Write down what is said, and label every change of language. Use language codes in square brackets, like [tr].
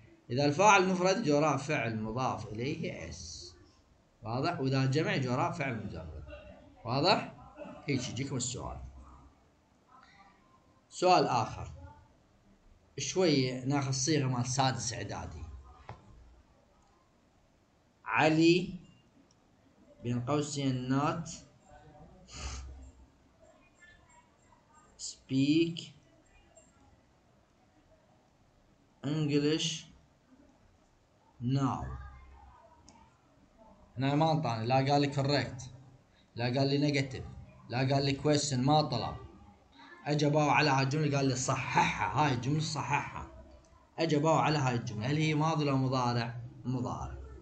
[ar] إذا الفاعل مفرد جراء فعل مضاف إليه اس، واضح؟ وإذا جمع جراء فعل مجرد، واضح؟ هيك يجيكم السؤال. سؤال آخر شوية، ناخذ صيغة مال سادس إعدادي. علي بين قوسين [en] not speak English now. [ar] هنا ما انطاني، لا قال لي correct، لا قال لي negative، لا قال لي question ما طلع. أجابه على هاي الجملة قال لي صححها، هاي الجملة صححها. أجابه على هاي الجملة هل هي ماضي أو مضارع؟ مضارع.